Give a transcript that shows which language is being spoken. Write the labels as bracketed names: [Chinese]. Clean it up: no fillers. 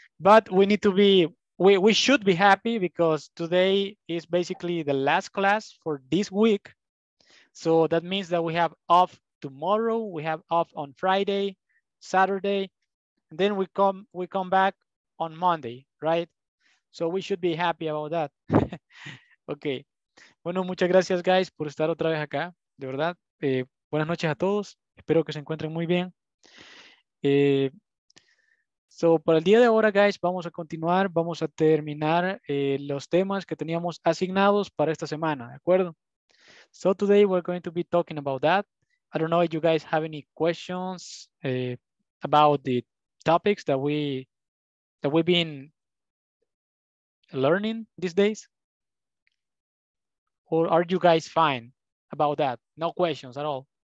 [English] But we need to be, we should be happy because today is basically the last class for this week. So that means that we have off tomorrow. We have off on Friday, Saturday. And then we come back on Monday, right? So we should be happy about that. Okay. [Spanish] Bueno, muchas gracias, guys, por estar otra vez acá. De verdad, buenas noches a todos. Espero que se encuentren muy bien. So, para el día de ahora, guys, vamos a continuar, vamos a terminar los temas que teníamos asignados para esta semana, ¿de acuerdo? [English] So, today we're going to be talking about that. I don't know if you guys have any questions about the topics that we've been learning these days. Or are you guys fine about that? No questions at all.